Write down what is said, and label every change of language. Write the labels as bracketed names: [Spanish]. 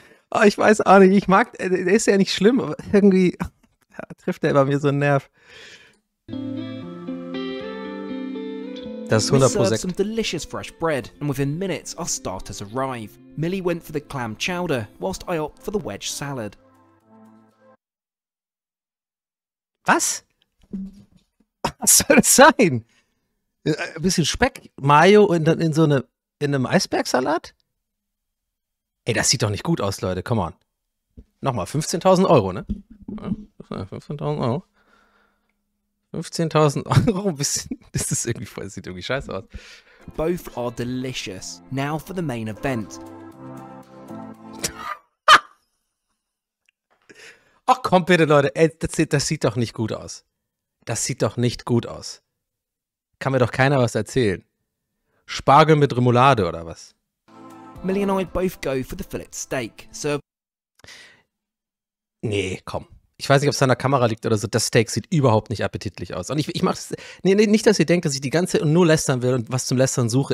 [German] Oh, ich weiß auch nicht. Ich mag, der ist ja nicht schlimm, aber irgendwie ja, trifft er bei mir so einen Nerv. Das ist 100%. [English] We served some delicious fresh bread, and within minutes, our starters arrive. Millie went for the clam chowder, whilst I opt for the wedge salad. [German] Was? Was soll das sein? Ein bisschen Speck, Mayo und dann in so eine, in einem Eisbergsalat? Ey, das sieht doch nicht gut aus, Leute, [English] come on. [German] Nochmal, 15.000 Euro, ne? 15.000 Euro. 15.000 Euro, das ist irgendwie voll, das sieht irgendwie scheiße aus. [English] Both are delicious. Now for the main event. [German] Ach komm bitte, Leute, ey, das sieht doch nicht gut aus. Das sieht doch nicht gut aus. Kann mir doch keiner was erzählen. Spargel mit Remoulade oder was? [English] Millie and I both go for the fillet steak, so... [German] Nee, komm. Ich weiß nicht, ob es an der Kamera liegt oder so. Das Steak sieht überhaupt nicht appetitlich aus. Und ich mache es. Nee, nicht, dass ihr denkt, dass ich die ganze Zeit nur lästern will und was zum Lästern suche.